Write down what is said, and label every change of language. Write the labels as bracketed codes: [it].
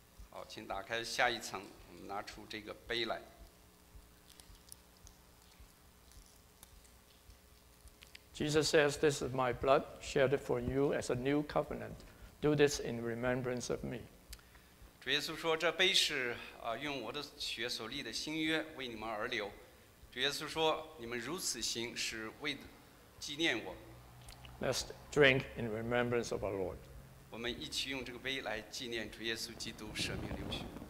[zh] 好, 请打开下一层, 我们拿出这个杯来。 [en] Jesus says, "This is my blood shed for you as a new covenant. Do this in remembrance of me." [zh] 主耶稣说，这杯是用我的血所立的新约为你们而流。主耶稣说，你们如此行是为纪念我。 Let's [en] drink in remembrance of our Lord. [zh] 我们一起用这个杯来纪念主耶稣基督舍命流血。